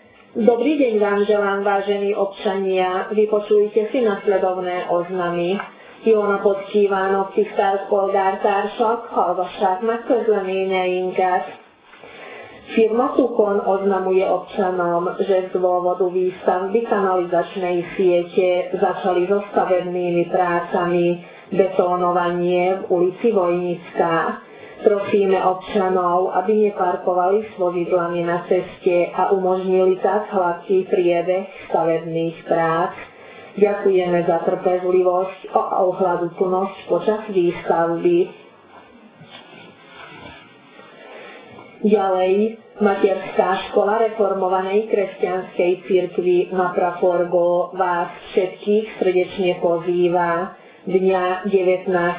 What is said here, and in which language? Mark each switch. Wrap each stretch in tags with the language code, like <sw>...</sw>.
<sk>Dobrý deň vám želám, vážení občania. Vypočujte si nasledovné oznamy.</sk> <hu>Jóna podkívánok, tisztelt polgártársak, hallgassák meg közleményeinket.</hu> <sk>Firma Kukon oznamuje občanom, že z dôvodu výstavby kanalizačnej siete začali so stavebnými prácami betónovanie v ulici Vojnická. Prosíme občanov, aby neparkovali s vozidlami na ceste a umožnili tak hladký priebeh stavebných prác. Ďakujeme za trpezlivosť a ohľadúplnosť počas výstavby. Ďalej, Materská škola reformovanej kresťanskej cirkvi na Praforgo vás všetkých srdečne pozýva dňa 19.</sk>